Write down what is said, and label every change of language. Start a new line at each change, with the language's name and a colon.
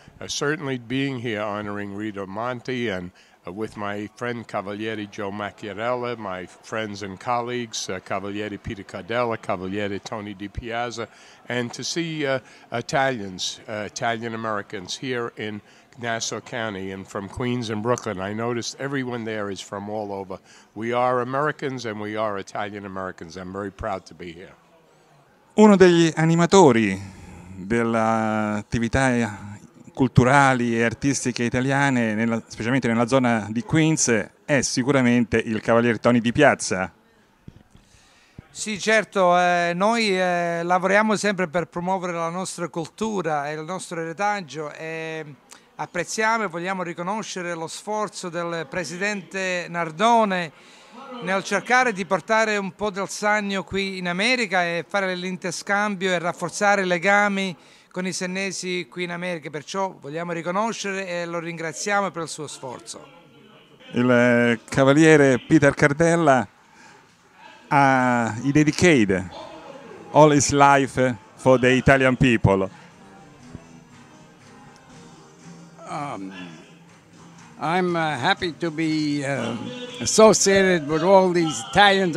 English: Certainly being here honoring Rita Monti and with my friend Cavaliere Joe Macchiarella, my friends and colleagues, Cavaliere Peter Cardella, Cavaliere Tony Di Piazza, and to see Italians, Italian-Americans here in Nassau County and from Queens and Brooklyn. I noticed everyone there is from all over. We are Americans and we are Italian Americans. I'm very proud to be here.
Italian: Uno degli animatori delle attività culturali e artistiche italiane, specialmente nella zona di Queens, è sicuramente il cavaliere Tony Di Piazza. Sì, certo, noi lavoriamo sempre per promuovere la nostra cultura e il nostro eretaggio e apprezziamo e vogliamo riconoscere lo sforzo del presidente Nardone nel cercare di portare un po' del sannio qui in America e fare l'interscambio e rafforzare i legami con i sennesi qui in America. Perciò vogliamo riconoscere e lo ringraziamo per il suo sforzo. Il cavaliere
English: Peter Cardella ha dedicated all his life for the Italian people. I'm happy to be associated with all these Italians.